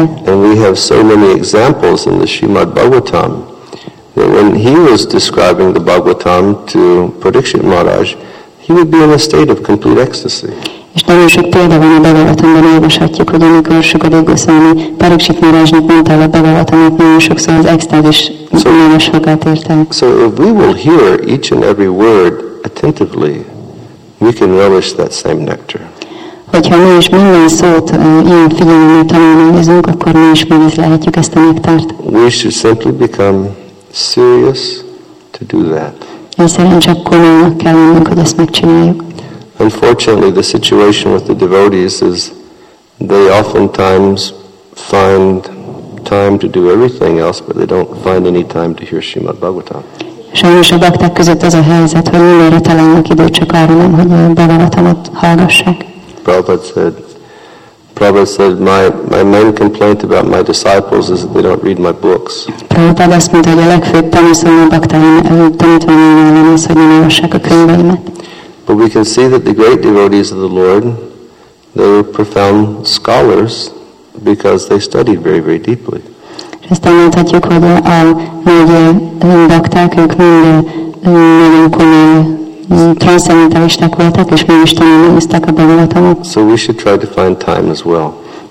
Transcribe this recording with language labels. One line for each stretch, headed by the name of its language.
English: and we have so many examples in the Srimad Bhagavatam that when he was describing the Bhagavatam to Pradikshit Maharaj, he would be in a state of complete ecstasy.
Hungarian: És nagyon sok példa van a Bhagavatamban, olvashatjuk, hogy amikor Shukadev Goswami Pariksit Maharajnak mondta a Bhagavatamot, nagyon sokszor az extázis magasságát érte.
English: So if we will hear each and every word attentively, we can relish that same nectar.
Hungarian: Hogyha mi is minden szót ilyen figyelemmel tanulmányozunk, akkor mi is megizlelhetjük ezt a nektárt.
English: We should simply become serious to do that.
Hungarian: Egyszerűen csak komolynak kell lennünk, hogy ezt megcsináljuk.
English: Unfortunately, the situation with the devotees is they oftentimes find time to do everything else, but they don't find any time to hear Srimad Bhagavatam.
Hungarian: Sajnos a bakták között az a helyzet, hogy mindenre találnak időt, csak arra nem, hogy a Bhagavatamot hallgassák.
English: Prabhupada said, my main complaint about my disciples is that they don't read my books.
Hungarian: Prabhupada azt mondta, hogy a legfőbb tanúszom a baktáim tanítványaimnál az, hogy nem olvassák a könyveimet.
English: But we can see that the great devotees of the Lord, they were profound scholars because they studied very, very deeply. So we should try to find time as well.